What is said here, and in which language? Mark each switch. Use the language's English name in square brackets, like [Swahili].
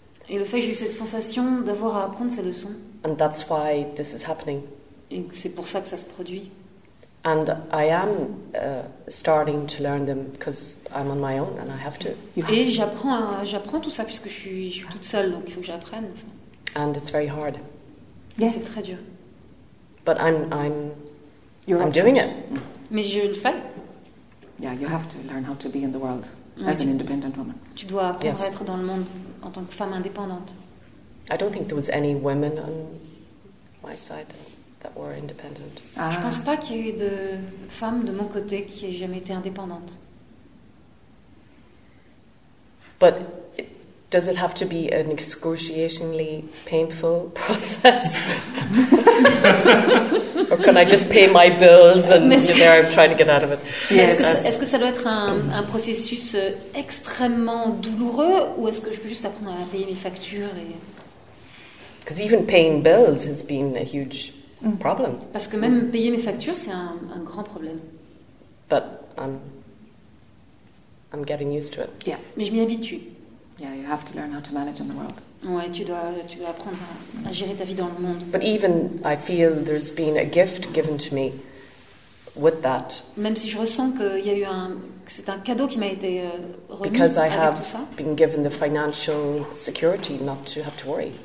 [French] Et le fait que j'ai eu cette sensation d'avoir à apprendre ces leçons. [English] And that's why this is happening. [French] Et c'est pour ça que ça se produit. [English] And I am starting to learn them because I'm on my own and I have to. [French] Et j'apprends tout ça puisque je suis toute seule, donc il faut que j'apprenne. [English] And it's very hard. Yes. [French] C'est très dur. [English] But I'm doing it. [French] Mais je le fais. [English] Yeah, you have to learn how to be in the world as an independent woman. [French] Tu dois apprendre à être dans le monde en tant que femme indépendante. [English] I don't think there was any women on my side that were independent. [French] Je pense pas qu'il y ait eu de femme de mon côté qui ait jamais été indépendante. [English] But does it have to be an excruciatingly painful process? Or can I just pay my bills and there I'm trying to get out of it? Yes. [French] Est-ce que ça doit être un processus extrêmement douloureux ou est-ce que je peux juste apprendre à payer mes factures et... [English] Because even paying bills has been a huge problem. [French] Parce que même payer mes factures, c'est un grand problème. [English] But I'm getting used to it. Yeah. [French] Mais je m'y habitue. [English] Yeah, you have to learn how to manage in the world. [French] Ouais, tu dois apprendre à gérer ta vie dans le monde. [English] But even I feel there's been a gift given to me with that. [French] Même si je ressens qu'il y a eu un, c'est un cadeau qui m'a été remis. [English] Because I have [French] avec tout ça. [English] Been given the financial security not to have to worry.